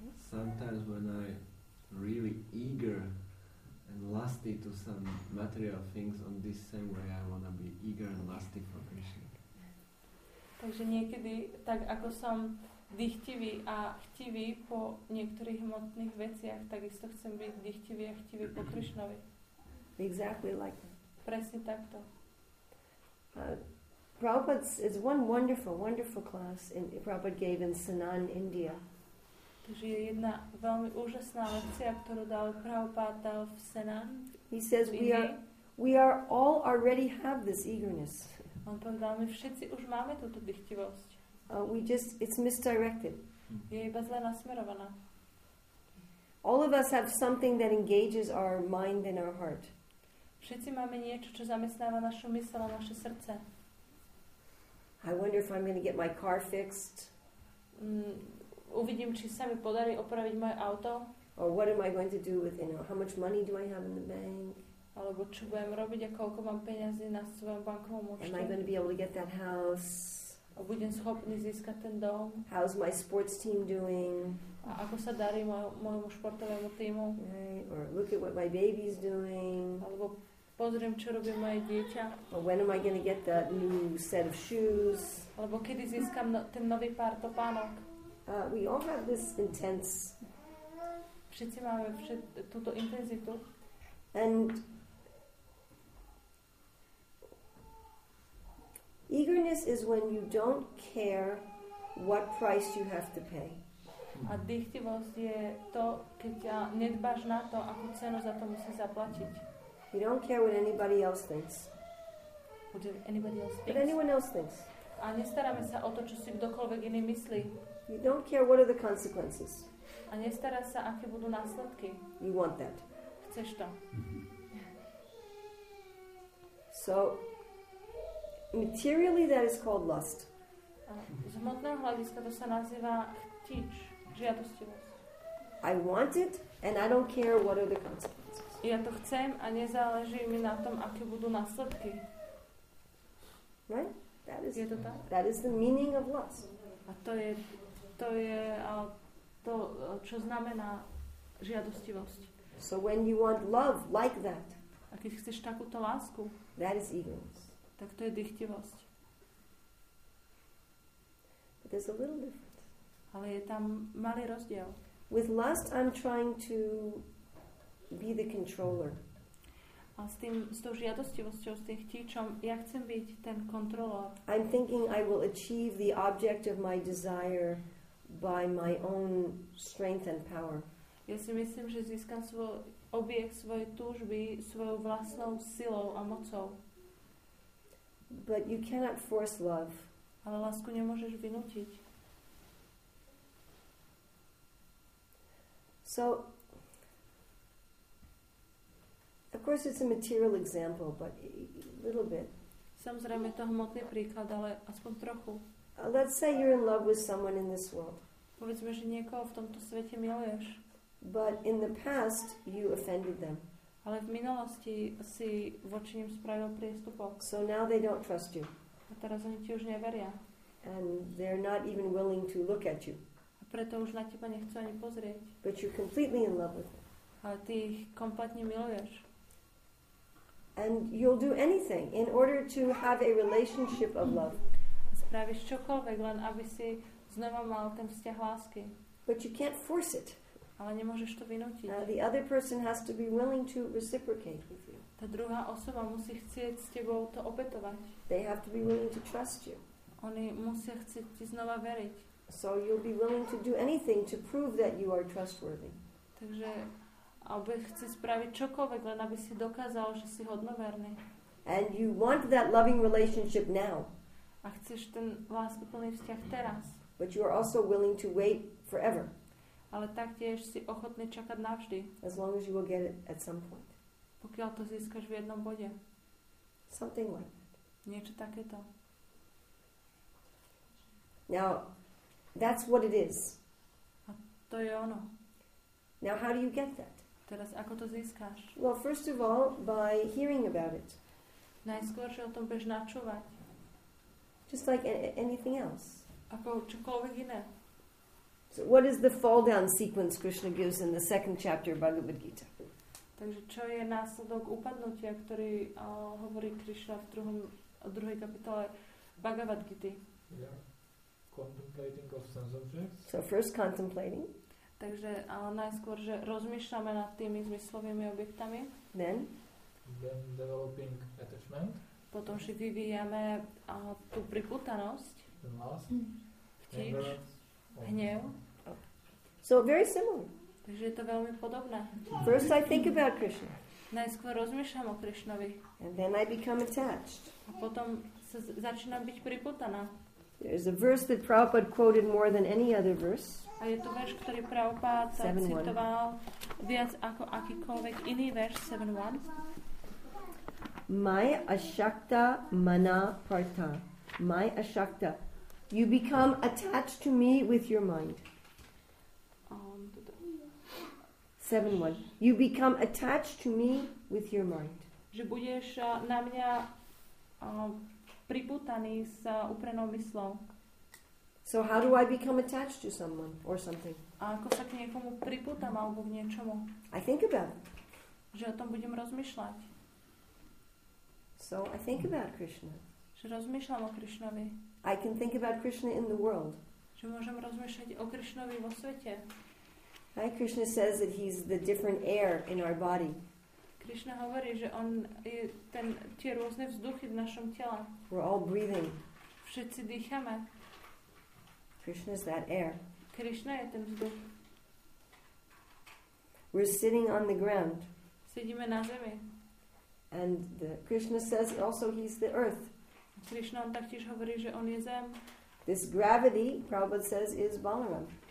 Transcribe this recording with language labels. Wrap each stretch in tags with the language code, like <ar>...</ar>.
<en>Sometimes when I'm really eager and lusty to some material things, on this same way I want to be eager and lusty for Krishna.</en> <sk>Takže niekedy, tak ako som dychtivý a chtivý po niektorých hmotných veciach, takisto chcem byť dychtivý a chtivý po Krišnovi.</sk> <en>Exactly like that.</en> <sk>Presne takto.</sk> <en>Prabhupada's is one wonderful, wonderful class in Prabhupada gave in Sanand, India.</en> <sk>Takže je jedna veľmi úžasná lekcia, ktorú dal Prabhupada dal v Sanand.</sk> <en>He says we are all already have this eagerness.</en> <sk>On povedal, my všetci už máme túto dychtivosť.</sk> <en>It's misdirected.</en> <sk>Je iba zle nasmerovaná.</sk> <en>All of us have something that engages our mind and our heart.</en> <sk>Všetci máme niečo, čo zamestnáva našu mysel a naše srdce.</sk> <en>I wonder if I'm going to get my car fixed.</en> <sk>Uvidím, či sa mi podarí opraviť moje auto.</sk> <en>Or what am I going to do with, you know, how much money do I have in the bank?</en> <sk>Alebo čo budem robiť a koľko mám peňazí na svojom bankovom účte.</sk> <en>Am I going to be able to get that house?</en> <sk>A budem schopný získať ten dom?</sk> <en>How's my sports team doing?</en> <sk>A ako sa darí môjmu športovému týmu?</sk> <en>Right. Or look at what my baby's doing.</en> <sk>Alebo pozriem, čo robí moje dieťa.</sk> <en>Or when am I going to get that new set of shoes?</en> <sk>Alebo kedy získam ten nový pár topánok?</sk> <en>We all have this intense...</en> <sk>Všetci máme túto intenzitu.</sk> <en>And eagerness is when you don't care what price you have to pay.</en> <sk>A dychtivosť je to, keď ja nedbáš na to, akú cenu za to musí zaplatiť.</sk> <en>You don't care what anybody else thinks. What do anybody else thinks? What anyone else thinks.</en> <sk>A nestaráme sa o to, čo si kdokoľvek iný myslí.</sk> <en>You don't care what are the consequences.</en> <sk>A nestará sa, aké budú následky.</sk> <en>You want that.</en> <sk>Chceš to.</sk> <en>So materially that is called lust.</en> <sk>Z hmotného hľadiska to sa nazýva chtič, žiadostivosť.</sk> <en>I want it and I don't care what are the consequences.</en> <sk>Ja to chcem a nezáleží mi na tom, aké budú následky.</sk> <en>Right? That is,</en> <sk>je to tak?</sk> <en>That is the meaning of lust.</en> <sk>A to je to, čo znamená žiadostivosť.</sk> <en>So when you want love like that.</en> <sk>A keď chceš takúto lásku.</sk> <en>That is eagerness.</en> <sk>Tak to je dychtivosť.</sk> <en>But there's a little difference.</en> <sk>Ale je tam malý rozdiel.</sk> <en>With lust I'm trying to be the controller.</en> <sk>A s tou žiadostivosťou, s tým chtíčom, ja chcem byť ten kontrolór.</sk> <en>I'm thinking I will achieve the object of my desire by my own strength and power.</en> <sk>Ja si myslím, že získam svoj objekt svojej túžby svojou vlastnou silou a mocou.</sk> <en>But you cannot force love.</en> <sk>Ale lásku nemôžeš vynútiť.</sk> <en>So, of course it's a material example, but a little bit.</en> <sk>Samozrejme je to hmotný príklad, ale aspoň trochu.</sk> <en>Let's say you're in love with someone in this world.</en> <sk>Povedzme, že niekoho v tomto svete miluješ.</sk> <en>But in the past you offended them.</en> <sk>Ale v minulosti si voči nim spravil priestupok.</sk> <en>So now they don't trust you.</en> <sk>A teraz oni ti už neveria.</sk> <en>And they're not even willing to look at you.</en> <sk>A preto už na teba nechcú ani pozrieť.</sk> <en>But you're completely in love with them.</en> <sk>Ale ty ich kompletne miluješ.</sk> <en>And you'll do anything in order to have a relationship of love.</en> <sk>Spravíš čokoľvek, len aby si znova mal ten vzťah lásky.</sk> <en>But you can't force it.</en> <sk>Ale nemôžeš to vynútiť.</sk> <en>The other person has to be willing to reciprocate with you.</en> <sk>Tá druhá osoba musí chcieť s tebou to obetovať.</sk> <en>They have to be willing to trust you.</en> <sk>Oni musia chcieť ti znova veriť.</sk> <en>So you'll be willing to do anything to prove that you are trustworthy.</en> <sk>Takže aby chci spraviť čokoľvek, len aby si dokázal, že si hodnoverný.</sk> <en>And you want that loving relationship now.</en> <sk>A chceš ten láskyplný vzťah teraz.</sk> <en>But you are also willing to wait forever.</en> <sk>Ale taktiež si ochotný čakať navždy.</sk> <en>As long as you will get it at some point.</en> <sk>Pokiaľ to získaš v jednom bode.</sk> <en>Something like that.</en> <sk>Niečo takéto.</sk> <en>Now, that's what it is.</en> <sk>A to je ono.</sk> <en>Now, how do you get that?</en> <sk>Teraz ako to získaš?</sk> <en>Well, first of all, by hearing about it.</en> <sk>Najskôr, že o tom budeš načúvať.</sk> <en>Just like anything else.</en> <sk>Ako čokoľvek iné.</sk> <en>So what is the fall down sequence Krishna gives in the second chapter of Bhagavad Gita?</en> <sk>Takže čo je následok upadnutia, ktorý hovorí Krishna v druhej kapitole Bhagavad Gita?</sk> <en>Yeah. Contemplating of sense objects. So first contemplating.</en> <sk>Takže najskôr, že rozmýšľame nad tými zmyslovými objektami.</sk> <en>Then developing attachment.</en> <sk>Potom si vyvíjame tú pripútanosť.</sk> <en>Then lust.</en> <sk>Chtíč. Hnev.</sk> <en>So very similar.</en> <sk>Takže je to veľmi podobné.</sk> <en>First I think about Krishna.</en> <sk>Najskôr rozmýšľam o Krishnovi.</sk> <en>And then I become attached.</en> <sk>A potom sa začínam byť pripútaná.</sk> <en>There's a verse that Prabhupada quoted more than any other verse.</en> <sk>A je to verš, ktorý Prabhupada citoval viac ako akýkoľvek iný verš, 7.1.</sk> <sa>My ashakta mana partha. My ashakta.</sa> <en>You become attached to me with your mind. 7.1. You become attached to me with your mind.</en> <sk>Že budeš na mňa pripútaný s uprenou mysľou.</sk> <en>So how do I become attached to someone or something?</en> <sk>A ako sa k niekomu pripútam alebo k niečomu?</sk> <en>I think about it.</en> <sk>Že o tom budem rozmýšľať.</sk> <en>So I think about Krishna.</en> <sk>Že rozmýšľam o Krishnovi.</sk> <en>I can think about Krishna in the world.</en> <sk>Že môžem rozmýšľať o Krishnovi vo svete.</sk> <en>Right? Krishna says that he's the different air in our body.</en> <sk>Krishna hovorí, že on je ten tie rôzne vzduchy v našom tele.</sk> <en>We're all breathing.</en> <sk>Všetci dýchame.</sk> <en>Krishna is that air.</en> <sk>Krishna je ten vzduch.</sk> <en>We're sitting on the ground.</en> <sk>Sedíme na zemi.</sk> <en>And the Krishna says also he's the earth.</en> <sk>Krishna taktiež hovorí, že on je zem.</sk> <en>This gravity, Prabhupada says, is Balaram.</en>